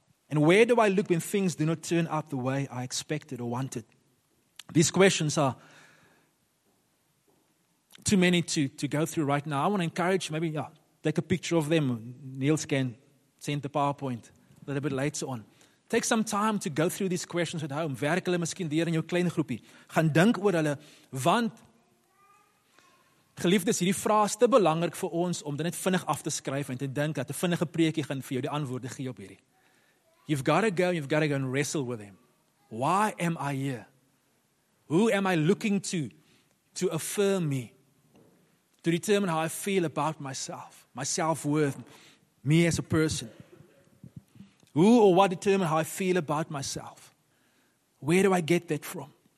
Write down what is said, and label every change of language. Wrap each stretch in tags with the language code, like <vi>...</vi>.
<en>And where do I look when things do not turn out the way I expected or wanted? These questions are too many to go through right now. I want to encourage you, maybe, yeah, take a picture of them. Niels can send the PowerPoint a little bit later on. Take some time to go through these questions at home.</en> <af>Werk hulle miskien deur in jou klein groepie. Gaan dink oor hulle, want geliefdes, hierdie vraag is te belangrik vir ons om dit net vinnig af te skryf en te dink dat 'n vinnige preekie gaan vir jou die antwoorde gee op hierdie.</af> <en>You've got to go and wrestle with him. Why am I here? Who am I looking to affirm me? To determine how I feel about myself, my self-worth, me as a person. Who or what determine how I feel about myself? Where do I get that from?</en>